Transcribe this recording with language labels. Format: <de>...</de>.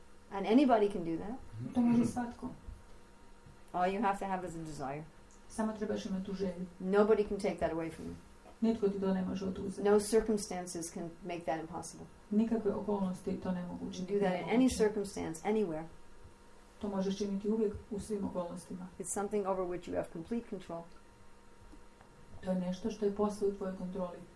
<en>And anybody can do that.</en> <hr>To može svatko.</hr> <en>All you have to have is a desire.</en> <hr>Samo trebaš imati tu želju.</hr> <en>Nobody can take that away from you.</en> <hr>Nitko ti to ne može oduzeti.</hr> <en>No circumstances can make that impossible.</en> <hr>Nikakve okolnosti to ne mogu učiniti.</hr> <en>Do that in any circumstance, anywhere.</en> <hr>To možeš činiti uvijek u svim okolnostima.</hr> <en>It's something over which you have complete control.</en> <hr>To je nešto što je posve u tvojoj kontroli.</hr>